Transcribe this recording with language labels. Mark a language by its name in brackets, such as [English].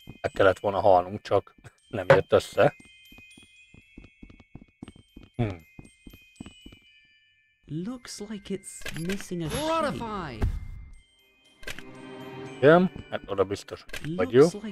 [Hungarian] Meg kellett volna halnunk, csak nem jött össze. [English] Looks like it's missing a shape. [Hungarian] Igen, hát oda biztos, vagy jó.